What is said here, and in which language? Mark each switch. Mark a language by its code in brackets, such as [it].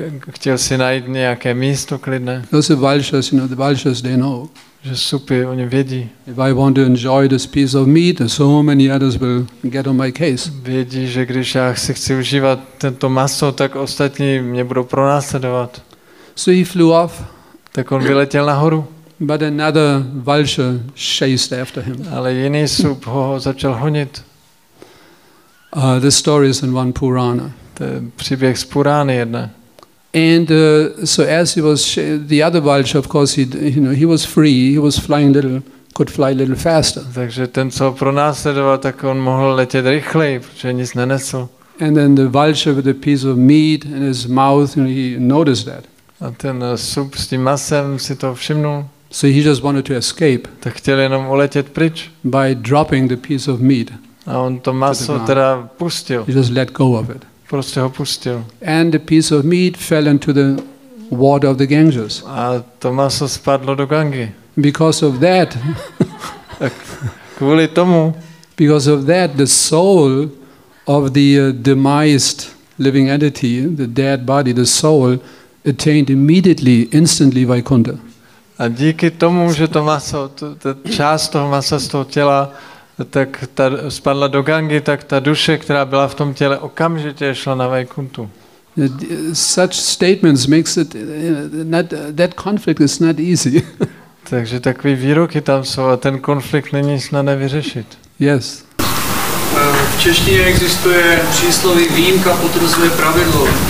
[cs] Chtěl si najít nějaké místo klidné. [en] Those vultures, you know, the vultures, they know. [cs] Že supy, oni vědí. [en] If I want to enjoy this piece of meat, so many others will get on my case. [cs] Vědí, že když já si chci užívat tento maso, tak ostatní mě budou pronásledovat. [en] So he flew off. [cs] Tak on vyletěl nahoru. [en] But another vulture chased after him. [cs] Ale jiný sup ho začal honit. [en] The story is in one Purana. [cs] To je příběh z Purány jedné. [en] And so as he was the other vulture, of course he, you know, he was free, he was flying little, could fly a little faster. [cs] Takže ten, co pronásledoval, tak on mohl letět rychleji, protože nic nenesl. [en] And then the vulture with a piece of meat in his mouth, you know, he noticed that. [cs] A ten sup s tím masem si to všimnul. [en] So he just wanted to escape. [cs] Tak chtěl jenom uletět pryč. [en] By dropping the piece of meat. [cs] A on to maso teda pustil. [en] He just let go of it. [cs] Prostě ho pustil. [en] And the piece of meat fell into the water of the Ganges. [cs] A to maso spadlo do Gangy. [en] Because of that. [cs] Kvůli tomu. [en] Because of that, the soul of the demised living entity, the dead body, the soul attained immediately, instantly Vaikuntha. [cs] A díky tomu, že to maso, ta část toho masa z toho těla tak ta spadla do Gangy, tak ta duše, která byla v tom těle, okamžitě šla na Vaikuntu. [en] Such statements makes it not, that conflict is not easy. [cs] Takže takový výroky tam jsou a ten konflikt není snadné vyřešit. [en] Yes. [cs] V češtině existuje přísloví výjimka potvrzuje pravidlo.